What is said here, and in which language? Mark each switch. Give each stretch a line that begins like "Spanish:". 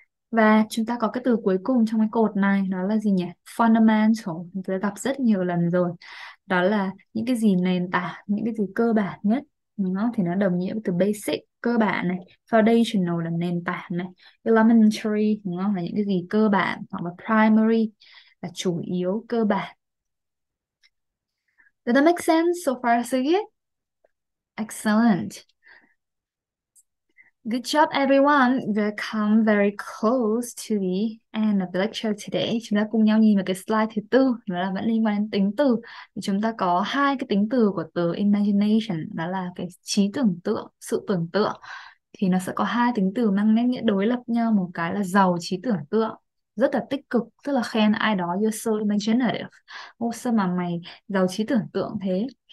Vietnamese: Và chúng ta có cái từ cuối cùng trong cái cột này, đó là gì nhỉ? Fundamental, chúng ta gặp rất nhiều lần rồi. Đó là những cái gì nền tảng, những cái gì cơ bản nhất, đúng không? Thì nó đồng nghĩa với từ basic, cơ bản này. Foundational là nền tảng này. Elementary, đúng không? Là những cái gì cơ bản. Hoặc là primary là chủ yếu, cơ bản.
English: Does that make sense so far so good? Excellent. Good job everyone. We've come very close to the end of the lecture today.
Vietnamese: Chúng ta cùng nhau nhìn vào cái slide thứ tư, đó là vẫn liên quan đến tính từ. Thì chúng ta có hai cái tính từ của từ imagination, đó là cái trí tưởng tượng, sự tưởng tượng. Thì nó sẽ có hai tính từ mang nét nghĩa đối lập nhau, một cái là giàu trí tưởng tượng, rất là tích cực, tức là khen ai đó
English: you're so imaginative,
Vietnamese: ô sao mà mày giàu trí tưởng tượng thế.